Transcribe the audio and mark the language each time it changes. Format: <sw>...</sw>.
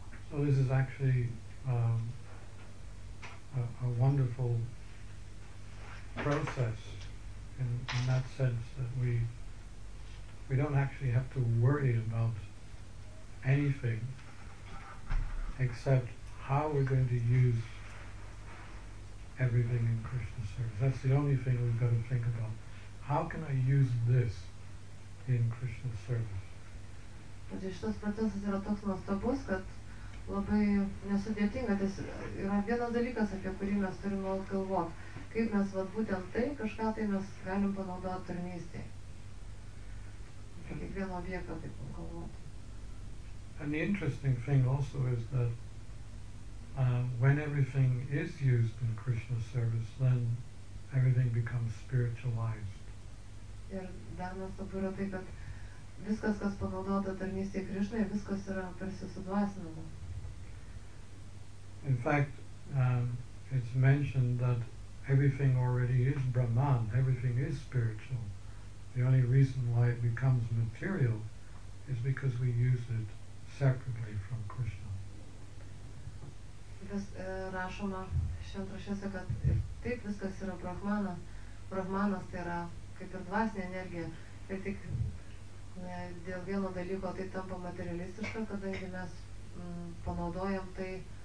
<en>So this is actually a wonderful process in that sense, that we don't actually have to worry about anything except how we're going to use everything in Krishna service. That's the only thing we've got to think about. How can I use this in Krishna service?</en> <lt>Labai nesudėtinga, tai yra vienas dalykas, apie kurį mes turim nuolat galvoti, kaip mes vat, būtent tai kažką tai mes galim panaudoti tarnystėje. Kiekvieną objektą taip galvoti.</lt> <en>And the interesting thing also is that when everything is used in Krishna's service, then everything becomes spiritualized.</en> <lt>Ir dar nuostabu yra tai, kad viskas, kas panaudota tarnystėje Krishnai, viskas yra tarsi sudvasinama.</lt> <en>In fact, it's mentioned that everything already is Brahman, everything is spiritual. The only reason why it becomes material is because we use it separately from Krishna.</en> <lt>Vis, rašoma šventrašiuose, kad taip viskas yra Brahmana. Brahmanas tai yra kaip ir dvasinė energija, bet tik ne, dėl vieno dalyko tai tampa materialistiška, kadangi mes panaudojam tai.</lt>